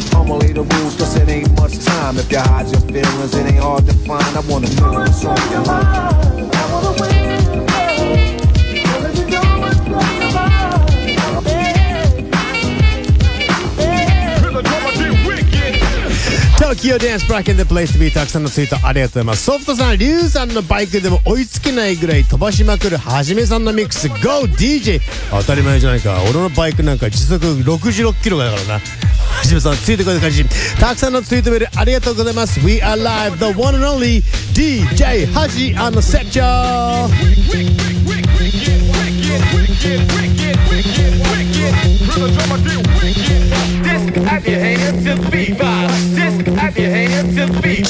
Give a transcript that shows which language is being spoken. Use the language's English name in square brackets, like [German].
[English] I'ma lay the rules, cause it ain't much time. If you hide your feelings, it ain't hard to find. I wanna know what's on your mind. Tokyo Dance Black in the place to be. [Japanese] たくさんのツイートありがとうございます。ソフトさん、リュウさんのバイクでも追いつけないぐらい飛ばしまくるはじめさんのミックス Go DJ。当たり前じゃないか、俺のバイクなんか時速66キロだからな。はじめさんついてくる感じ、たくさんのツイートメールありがとうございます。 [English] We are live, the one and only DJ Haji on the set, y'all。 wicked, wicked, wicked, wicked, wicked. Rhythm drummer get wicked. Disc at your hand to the beat box. Disc at your hand to the beat box.